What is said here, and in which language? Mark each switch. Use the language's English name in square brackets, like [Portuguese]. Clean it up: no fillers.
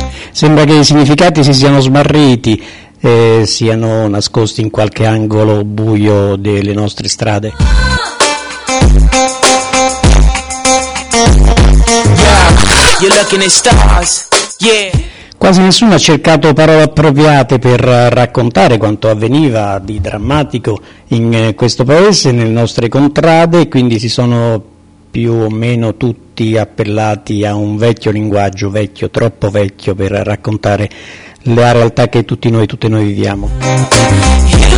[Italian] Sembra che i significati si siano smarriti, siano nascosti in qualche angolo buio delle nostre strade. [English] Yeah, you're looking at stars. Yeah. [Italian] Quasi nessuno ha cercato parole appropriate per raccontare quanto avveniva di drammatico in questo paese, nelle nostre contrade, quindi si sono più o meno tutti appellati a un vecchio linguaggio, vecchio, troppo vecchio per raccontare la realtà che tutti noi viviamo.